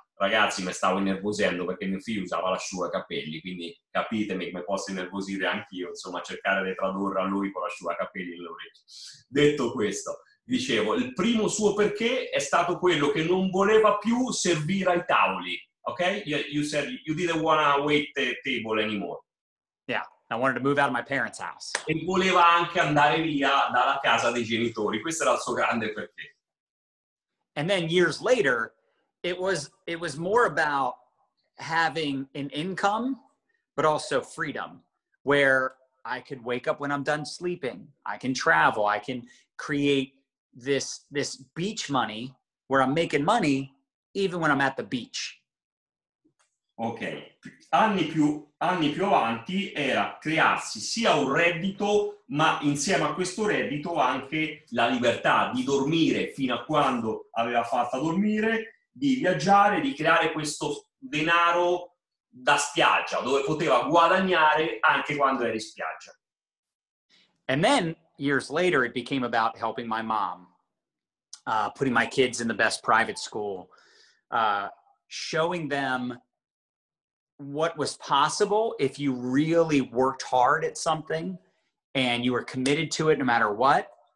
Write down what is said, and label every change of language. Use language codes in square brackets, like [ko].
[it] Ragazzi, mi stavo innervosendo perché mio figlio usava l'asciugacapelli, quindi capitemi come posso innervosire anch'io, insomma, cercare di tradurre a lui con l'asciugacapelli nelle orecchie. Detto questo, dicevo, il primo suo perché è stato quello che non voleva più servire ai tavoli. Ok? [en] You didn't want to wait the table anymore. Yeah. I wanted to move out of my parents' house. [it] E voleva anche andare via dalla casa dei genitori. Questo era il suo grande perché. [en] And then years later, it was more about having an income, but also freedom, where I could wake up when I'm done sleeping. I can travel. I can create this beach money where I'm making money even when I'm at the beach. [it] Ok, anni più avanti era crearsi sia un reddito, ma insieme a questo reddito anche la libertà di dormire fino a quando aveva fatto a dormire, di viaggiare, di creare questo denaro da spiaggia, dove poteva guadagnare anche quando era in spiaggia. [en] And then, years later, it became about helping my mom, putting my kids in the best private school, showing them what was possible if you really worked hard at something and you were committed to it no matter what.